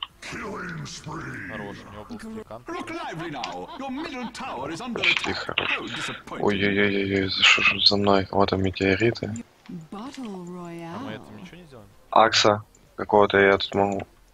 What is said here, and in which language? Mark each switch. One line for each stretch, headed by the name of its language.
Russian: Хорош, у него был стрекан.
English: Look lively now! Your middle tower is under attack!
Russian: Ой-ой-ой-ой-ой, что ж за мной? Вот там метеориты. А мы этим ничего не сделаем? Акса какого-то я тут могу.